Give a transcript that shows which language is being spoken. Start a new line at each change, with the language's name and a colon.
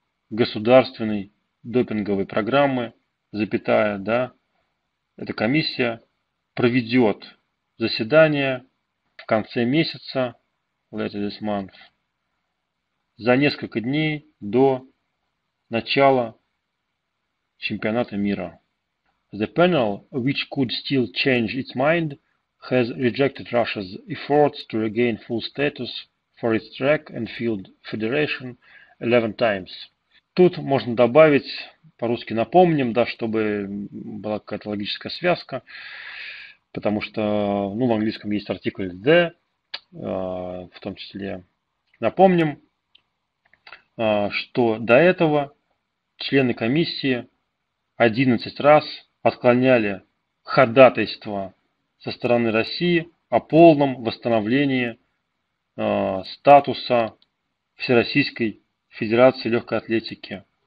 Russian: государственной допинговой программы, запятая, да, эта комиссия проведет заседание в конце месяца,
English: later this month,
Russian: за несколько дней до начала чемпионата мира.
English: The panel, which could still change its mind, has rejected Russia's efforts to regain full status for its track and field federation 11 times.
Russian: Тут можно добавить, по-русски напомним, да, чтобы была какая-то логическая связка, потому что, ну, в английском есть артикль the, в том числе. Напомним, что до этого члены комиссии 11 раз отклоняли ходатайство со стороны России о полном восстановлении статуса Всероссийской Федерации Легкой Атлетики.